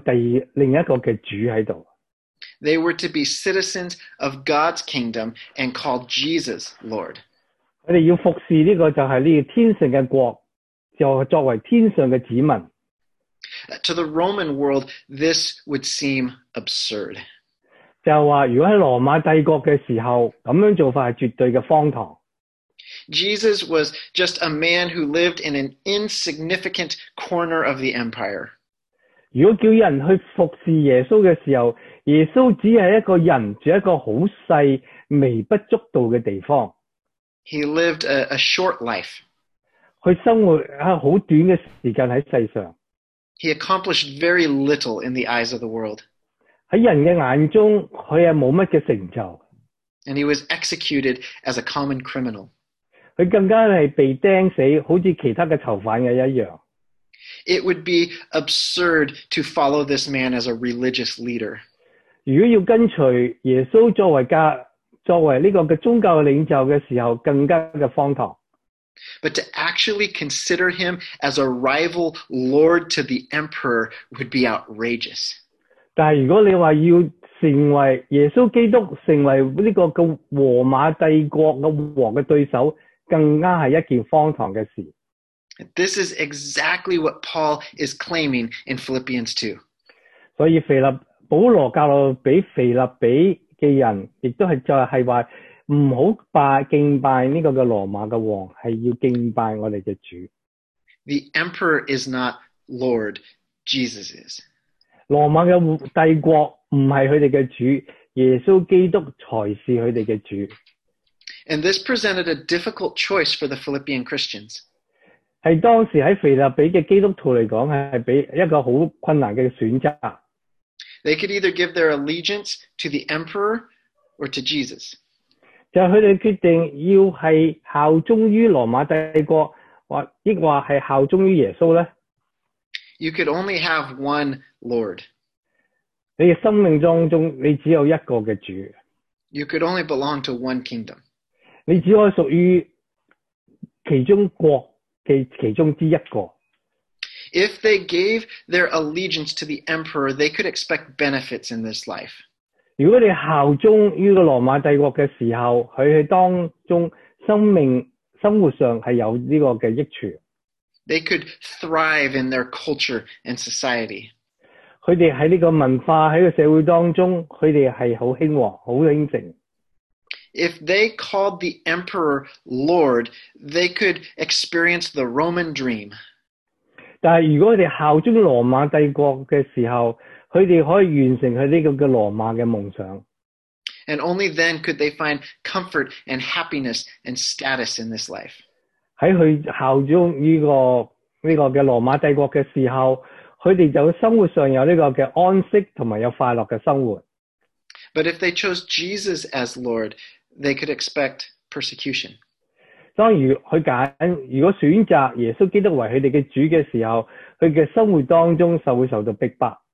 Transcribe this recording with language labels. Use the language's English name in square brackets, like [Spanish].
[Chinese] 就是这个国是有另一个主在这里。 [English] They were to be citizens of God's kingdom and called Jesus Lord. [Chinese] 他们要服侍这个就是这个天上的国,作为天上的子民。 [English] To the Roman world, this would seem absurd. [Chinese] 就是说,如果在罗马帝国的时候,这样做法是绝对的荒唐。 [English] Jesus was just a man who lived in an insignificant corner of the empire. [Chinese] 如果叫人去服侍耶稣的时候，耶稣只是一个人住一个很小微不足道的地方。 [English] He lived a short life. [Chinese] 他生活很短的时间在世上。 [English] He accomplished very little in the eyes of the world. [Chinese] 在人的眼中，他是没什么成就。 [English] And he was executed as a common criminal. [Chinese] 他更加是被钉死，好像其他的囚犯一样。 [English] It would be absurd to follow this man as a religious leader. [Chinese] 如果要跟随耶稣作为这个宗教领袖的时候，更加的荒唐。 [English] But to actually consider him as a rival lord to the emperor would be outrageous. [Chinese] 但如果你说要成为耶稣基督成为这个罗马帝国的王的对手，更加是一件荒唐的事。 [English] This is exactly what Paul is claiming in Philippians 2. [Chinese] 所以保罗教导给腓立比的人，也都是就是说不要敬拜这个罗马的王，是要敬拜我们的主。 [English] The emperor is not Lord, Jesus is. [Chinese] 罗马的帝国不是他们的主，耶稣基督才是他们的主。 [English] And this presented a difficult choice for the Philippian Christians. [Chinese] 是当时在腓立比的基督徒来讲，是被一个很困难的选择。 [English] They could either give their allegiance to the emperor or to Jesus. [Chinese] 就是他们决定要是效忠于罗马帝国，亦或是效忠于耶稣呢？ [English] You could only have one Lord. [Chinese] 你的生命当中，你只有一个的主。 [English] You could only belong to one kingdom. [Chinese] 你只可以属于其中国的其中之一个。 [English] If they gave their allegiance to the emperor, they could expect benefits in this life. [Chinese] 如果你效忠于罗马帝国的时候，他在当中生活上是有这个的益处。 [English] They could thrive in their culture and society. [Chinese] 他们在这个文化，在这个社会当中，他们是很兴旺，很兴盛。 [English] If they called the emperor Lord, they could experience the Roman dream. [Chinese] 但如果他们效忠罗马帝国的时候，他们可以完成他这个罗马的梦想。 [English] And only then could they find comfort and happiness and status in this life. [Chinese] 在他效忠这个罗马帝国的时候，他们就生活上有这个安息和有快乐的生活。 [English] But if they chose Jesus as Lord, they could expect persecution. [Chinese] 当如他拣，如果选择耶稣基督为他们的主的时候，他的生活当中就会受到逼迫。